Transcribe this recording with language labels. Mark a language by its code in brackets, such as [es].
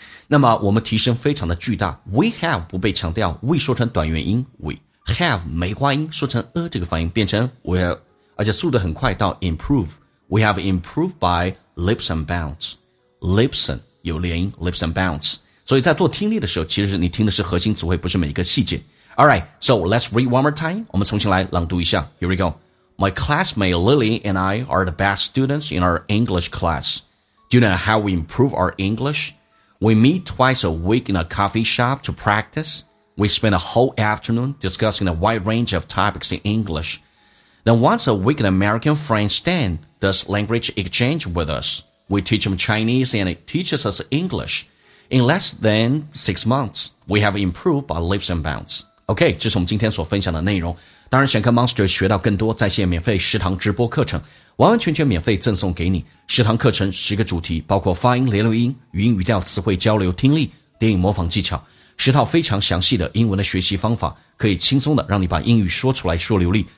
[zh] 那么我们提升非常的巨大 ， we have 不被强调 ，we 说成短元音 ，we have 梅花音说成 a 这个发音变成 we， 而且速度很快到 improve。 [en] We have improved by leaps and bounds. Leaps 有连音 ,leaps and bounds. [zh] 所以在做听力的时候其实你听的是核心词汇不是每一个细节。 [en] Alright, so let's read one more time. 我们重新来朗读一下。 Here we go. My classmate Lily and I are the best students in our English class. Do you know how we improve our English? We meet twice a week in a coffee shop to practice. We spend a whole afternoon discussing a wide range of topics in English. Then once a week an American friend Stan does language exchange with us. We teach him Chinese and he teaches us English. In less than six months, we have improved by leaps and bounds. [zh] OK, 这是我们今天所分享的内容。当然想跟 Monster 学到更多在线免费食堂直播课程完完全全免费赠送给你。食堂课程十个主题包括发音、连读音、语音语调、词汇交流、听力、电影模仿技巧。十套非常详细的英文的学习方法可以轻松的让你把英语说出来说流利。